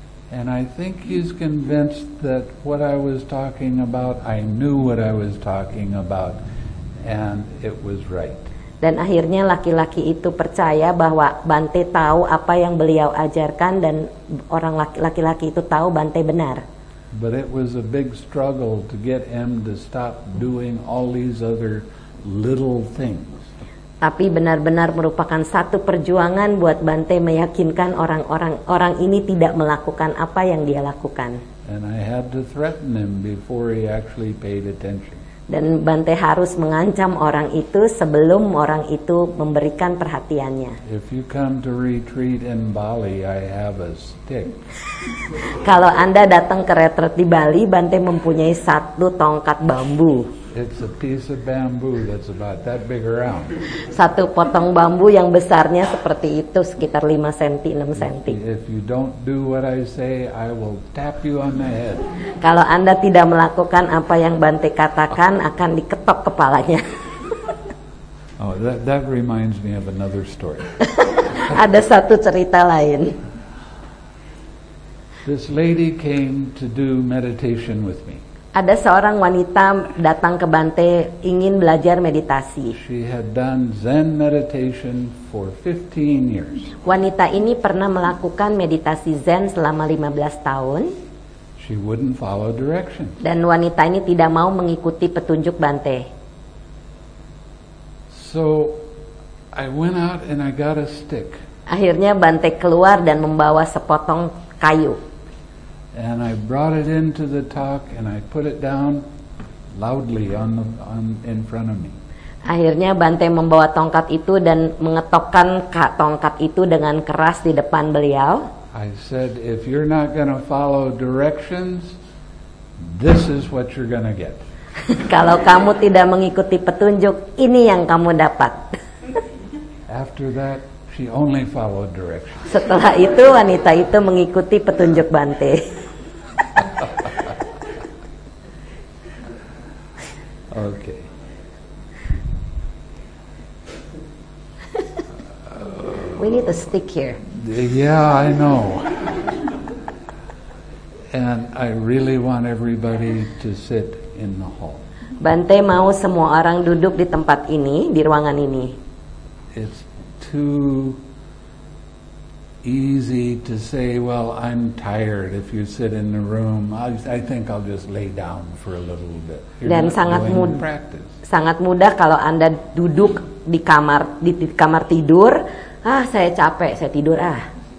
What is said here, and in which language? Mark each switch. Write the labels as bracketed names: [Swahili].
[English] And I think he's convinced that what I was talking about, I knew what I was talking about, and it was right. [Indonesian] Dan akhirnya laki-laki itu percaya bahwa Bante tahu apa yang beliau ajarkan dan orang laki-laki itu tahu Bante benar. [English] But it was a big struggle to get him to stop doing all these other little things. [Indonesian] Tapi benar-benar merupakan satu perjuangan buat Bante meyakinkan orang-orang ini tidak melakukan apa yang dia lakukan. [English] And I had to threaten him before he actually paid attention. [Indonesian] Dan Bante harus mengancam orang itu sebelum orang itu memberikan perhatiannya. [English] If you come to retreat in Bali, I have a stick. [Indonesian] Kalau Anda datang ke retreat di Bali, Bante mempunyai satu tongkat bambu. [English] It's a piece of bamboo that's about that big around. [Indonesian] Satu potong bambu yang besarnya seperti itu, sekitar 5 cm, 6 cm. [English] If you don't do what I say, I will tap you on the head. [Indonesian] Kalau Anda tidak melakukan apa yang Bante katakan, akan diketok kepalanya. [English] Oh, that reminds me of another story. [Indonesian] Ada satu cerita lain. [English] This lady came to do meditation with me. [Indonesian] Ada seorang wanita datang ke Bante ingin belajar meditasi. [English] She had done Zen meditation for 15 years. [Indonesian] Wanita ini pernah melakukan meditasi Zen selama 15 tahun. [English] She wouldn't follow directions. [Indonesian] Dan wanita ini tidak mau mengikuti petunjuk Bante. [English] So I went out and I got a stick. [Indonesian] Akhirnya Bante keluar dan membawa sepotong kayu. [English] And I brought it into the talk and I put it down loudly on in front of me. [Indonesian] Akhirnya Bante membawa tongkat itu dan mengetokkan tongkat itu dengan keras di depan beliau. [English] I said, if you're not going to follow directions, this is what you're going to get. [Indonesian] Kalau kamu tidak mengikuti petunjuk, ini yang kamu dapat. [English] After that, She only followed directions. [Indonesian] Setelah itu wanita itu mengikuti petunjuk Bante. [English] Okay. We need a stick here. Yeah, I know. And I really want everybody to sit in the hall. [Indonesian] Bante mau semua orang duduk di tempat ini, di ruangan ini. [English] It's too easy to say, well, I'm tired. If you sit in the room, I think I'll just lay down for a little bit. [Indonesian] Dan sangat mudah kalau Anda duduk di kamar tidur, ah, saya capek, saya tidur ah.